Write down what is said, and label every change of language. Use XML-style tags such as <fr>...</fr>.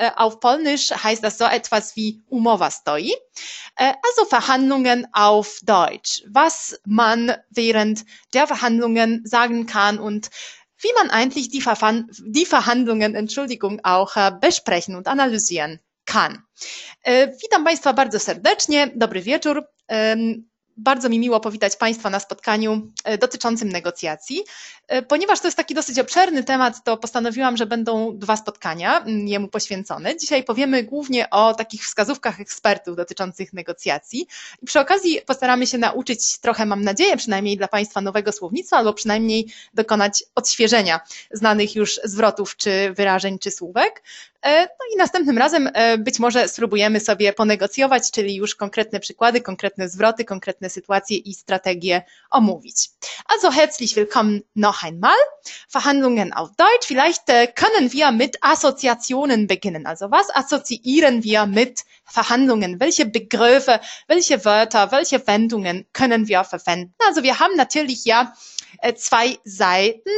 <de>Auf Polnisch heißt das so etwas wie</de> <pl>Umowa stoi,</pl> <de>also Verhandlungen auf Deutsch. Was man während der Verhandlungen sagen kann und wie man eigentlich die Verhandlungen, Entschuldigung, auch besprechen und analysieren kann.</de> <pl>Witam Państwa bardzo serdecznie. Dobry wieczór. Bardzo mi miło powitać Państwa na spotkaniu dotyczącym negocjacji. Ponieważ to jest taki dosyć obszerny temat, to postanowiłam, że będą dwa spotkania jemu poświęcone. Dzisiaj powiemy głównie o takich wskazówkach ekspertów dotyczących negocjacji. I przy okazji postaramy się nauczyć trochę, mam nadzieję, przynajmniej dla Państwa nowego słownictwa, albo przynajmniej dokonać odświeżenia znanych już zwrotów, czy wyrażeń, czy słówek. No i następnym razem być może spróbujemy sobie ponegocjować, czyli już konkretne przykłady, konkretne zwroty, konkretne sytuacje i strategie omówić.</pl> <de>Also herzlich willkommen noch einmal. Verhandlungen auf Deutsch. Vielleicht können wir mit Assoziationen beginnen. Also was assoziieren wir mit Verhandlungen? Welche Begriffe, welche Wörter, welche Wendungen können wir verwenden? Also wir haben natürlich ja zwei Seiten.</de>